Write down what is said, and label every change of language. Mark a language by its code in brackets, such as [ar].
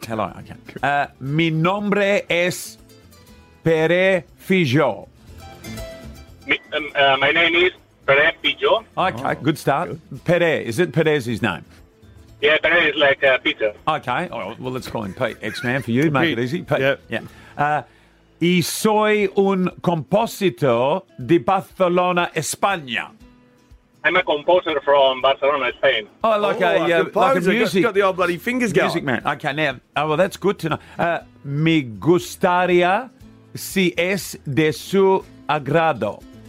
[en] Hello, okay. [es] Mi nombre es Pere Fijo. [en] My name is Pere Pijo. Okay, good start. Pere, is it Pere's his name? Yeah, Pere is like Peter. Okay, all right, well, let's call him Pete, X-Man, for you, make it easy. Pete. Yep. Yeah. [es] Y soy un compositor de Barcelona, España. [en] I'm a composer from Barcelona, Spain. Oh, like a music. Got the old bloody fingers going. Music man. Okay, now, that's good to know. [es] Me gustaría si es de su agrado.